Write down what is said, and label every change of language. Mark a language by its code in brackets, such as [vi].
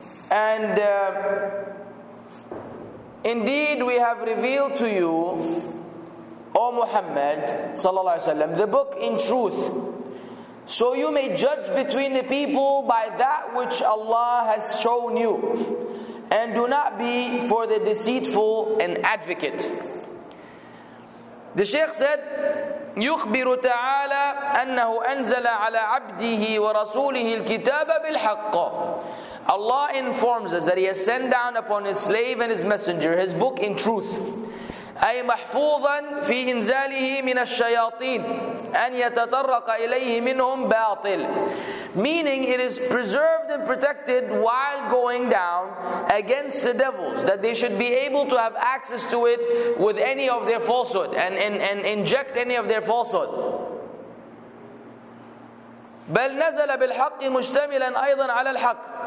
[en] And indeed we have revealed to you, O Muhammad sallallahu alaihi wasallam, the book in truth, so you may judge between the people by that which Allah has shown you, and do not be for the deceitful an advocate. The Shaykh said, [ar] يخبر تعالى أنه أنزل على عبده ورسوله الكتاب بالحق. [en] Allah informs us that He has sent down upon His slave and His messenger His book in truth. [ar] أي محفوظا في إنزاله من الشياطين أن يتطرق إليه منهم باطل. [en] meaning it is preserved and protected while going down against the devils, that they should be able to have access to it with any of their falsehood and inject any of their falsehood. [ar] بَلْ نَزَلَ بِالْحَقِّ مُشْتَمِلًا أَيْضًا عَلَى الْحَقِّ.